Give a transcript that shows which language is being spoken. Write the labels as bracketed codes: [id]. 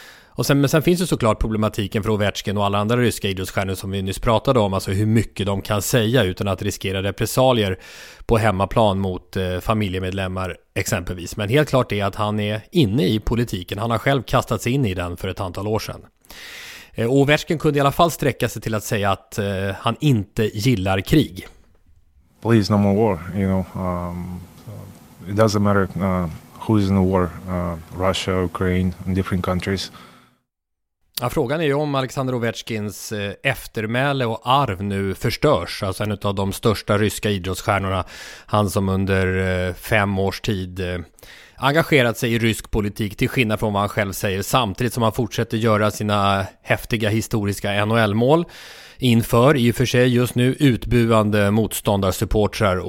[sv] Och sen, men sen finns ju såklart problematiken för Ovetjkin och alla andra ryska idrottsstjärnor som vi nyss pratade om, alltså hur mycket de kan säga utan att riskera repressalier på hemmaplan mot familjemedlemmar exempelvis. Men helt klart är att han är inne i politiken, han har själv kastats in i den för ett antal år sedan. Ovetjkin kunde i alla fall sträcka sig till att säga att han inte gillar krig. [en] Please, no more war, you know. It doesn't matter who's in the war, Russia, Ukraine and different countries. [sv] Ja, frågan är ju om Alexander Ovetjkins eftermäle och arv nu förstörs. Alltså en av de största ryska idrottsstjärnorna, han som under 5 års tid engagerat sig i rysk politik till skillnad från vad han själv säger, samtidigt som han fortsätter göra sina häftiga historiska NHL-mål inför, i och för sig just nu, utbuande motståndarsupportrar.